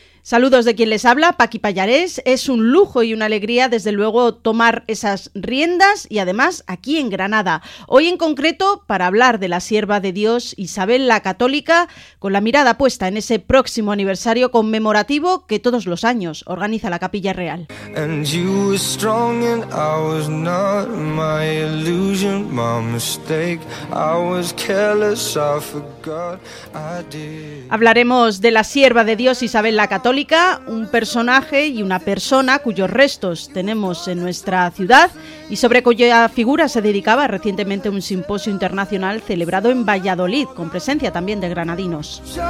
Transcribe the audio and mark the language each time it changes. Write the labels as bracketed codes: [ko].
[es] Saludos de quien les habla, Paqui Pallarés. Es un lujo y una alegría, desde luego, tomar esas riendas y además aquí en Granada. Hoy en concreto, para hablar de la sierva de Dios, Isabel la Católica, con la mirada puesta en ese próximo aniversario conmemorativo que todos los años organiza la Capilla Real. [en] And you were strong and I was not my illusion, my mistake. I was careless, I forgot I did. [es] Hablaremos de la sierva de Dios, Isabel la Católica. Católica, un personaje y una persona cuyos restos tenemos en nuestra ciudad y sobre cuya figura se dedicaba recientemente un simposio internacional celebrado en Valladolid, con presencia también de granadinos.